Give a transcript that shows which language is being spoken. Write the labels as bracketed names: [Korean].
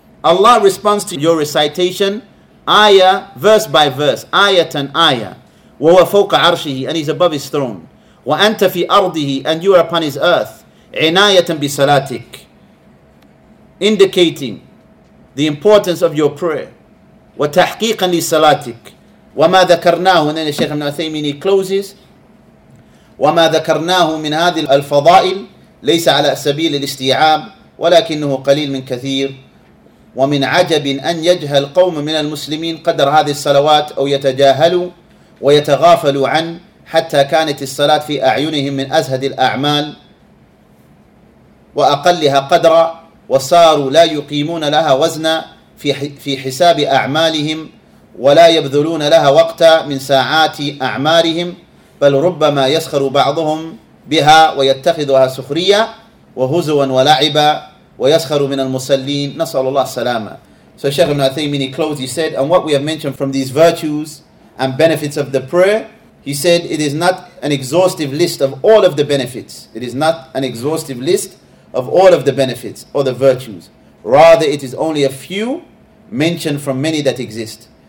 [English] Allah responds to your recitation, ayah, verse by verse, ayatan ayah. [Arabic] وَهُوَ فَوْقَ عَرْشِهِ, [English] and he's above his throne. [Arabic] وَأَنْتَ فِي أَرْضِهِ, [English] and you are upon his earth. [Arabic] عِنَايَةً بِسَلَاتِكَ, [English] indicating the importance of your prayer. [Arabic] وَتَحْقِيقًا لِسَلَاتِكَ وَمَا ذَكَرْنَاهُ, [English] and then the Shaykh ibn Uthaymeen, he closes, [Arabic] وَمَا ذَكَرْنَاهُ مِنْ هَذِهِ الْفَضَائِلِ لَيْسَ عَلَى سَبِيلِ الْإِسْتِيعَابِ وَلَكِنُّهُ قَلِيلٌ مِنْ كَثِيرٍ وَمِنْ عَجَبٍ أَنْ يَجْهَلَ الْقَوْمُ مِنَ الْمُسْلِمِينَ قَدْرَ هَذِهِ الصَّلَوَاتِ أَوْ يَتَجَاهَلُوا وَيَتَغَافَلُوا عَنْ حتى كانت الصلاة في أعينهم من أزهد الأعمال وأقلها قدرا وصاروا لا يقيمون لها وزنا في حساب أعمالهم ولا يبذلون لها وقتا من ساعات أعمارهم بل ربما يسخر بعضهم بها ويتخذها سخرية وهزوا ولعبا ويسخر من المصلين نسأل الله السلامة. [English] So Shaykh Ibn Uthaymeen, he closed, he said, and what we have mentioned from these virtues and benefits of the prayer, he said, it is not an exhaustive list of all of the benefits. It is not an exhaustive list of all of the benefits or the virtues. Rather, it is only a few mentioned from many that exist.